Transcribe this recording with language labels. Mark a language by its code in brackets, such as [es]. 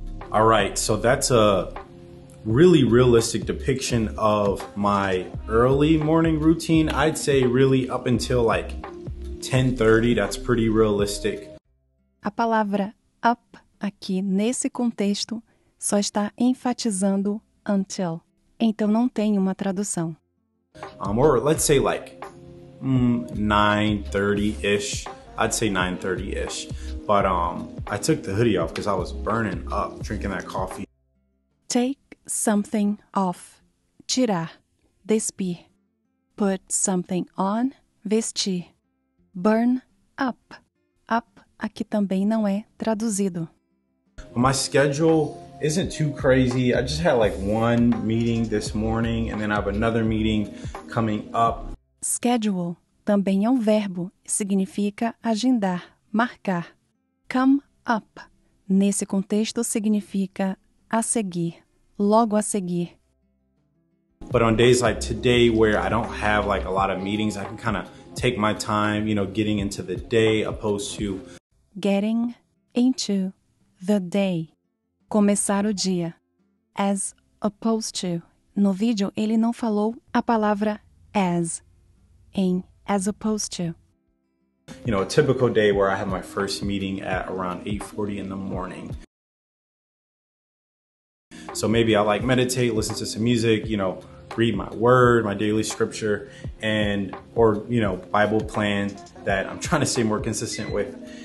[en] All right, so that's a really realistic depiction of my early morning routine. I'd say really up until like 10:30, that's pretty realistic. [pt] A palavra up aqui nesse contexto só está enfatizando until. Então não tem uma tradução. [en] Or let's say like 9:30-ish. I'd say 9:30-ish. But I took the hoodie off because I was burning up drinking that coffee. Take something off. [pt] Tirar. Despir. [en] Put something on. [pt] Vestir. Burn up. Up aqui também não é traduzido. [en] My schedule isn't too crazy. I just had like one meeting this morning and then I have another meeting coming up. [pt] Schedule também é um verbo, significa agendar, marcar. Come up, nesse contexto, significa a seguir, logo a seguir. [en] But on days like today, where I don't have like a lot of meetings, I can kind of take my time, you know, getting into the day opposed to getting into the day, [pt] começar o dia, [en] as opposed to. [pt] No vídeo, ele não falou a palavra as, em as opposed to. [en] You know, a typical day where I have my first meeting at around 8:40 in the morning. So maybe I like meditate, listen to some music, you know, read my word, my daily scripture, and or, you know, Bible plan that I'm trying to stay more consistent with.